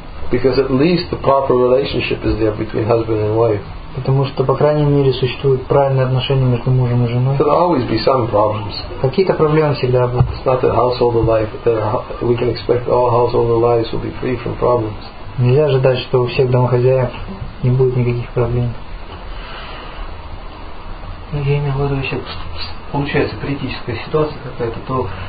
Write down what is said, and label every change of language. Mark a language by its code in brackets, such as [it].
[en] Because at least the proper relationship is there between husband and wife. [ru] Потому что, по крайней мере, существует правильное отношение между мужем и женой. [en] There'll always be some problems. [ru] Какие-то проблемы всегда будут. [en] It's not that household life, that we can expect all household lives will be free from problems. [ru] Нельзя ожидать, что у всех домохозяев не будет никаких проблем. Ну, я имею в виду, если получается критическая ситуация какая-то, то